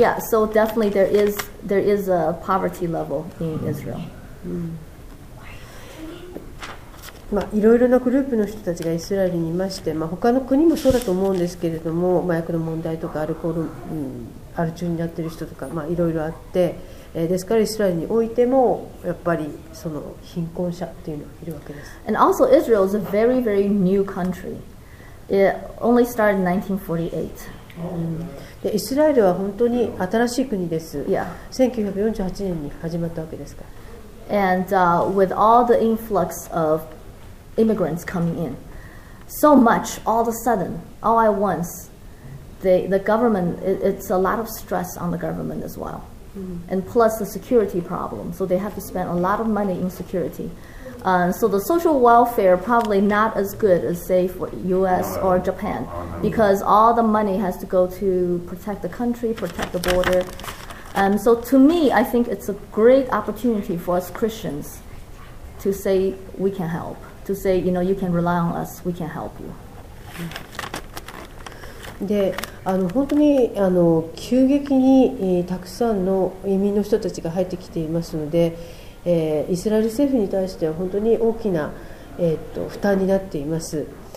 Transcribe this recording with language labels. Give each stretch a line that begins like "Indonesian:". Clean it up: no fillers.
English: So definitely there is a poverty level in Israel.
Japanese: まあ、いろいろなグループの人たちがイスラエルにいまして、まあ、他の国もそうだと思うんですけれども、麻薬の問題とかアルコール、アル中になっている人とか、まあ、いろいろあって、ですからイスラエルにおいてもやっぱりその貧困者っていうのがいるわけです。
English: And also Israel is a very, very new country. It only started in 1948.
Japanese: でイスラエルは本当に新しい国です。
English: Yeah.
Japanese: 1948年に始まったわけですから
English: And with all the influx of immigrants coming in, so much all of a sudden, all at once, the government, it's a lot of stress on the government as well. And plus the security problem, so they have to spend a lot of money in security. So the social welfare probably not as good as say for U.S. or Japan, because all the money has to go to protect the country, protect the border. So to me, I think it's a great opportunity for us Christians to say we can help, to say, you know, you can rely on us, we can help you.
Japanese: で、本当に急激にたくさんの移民の人たちが入ってきていますので、イスラエル政府に対しては本当に大きな、負担になっています。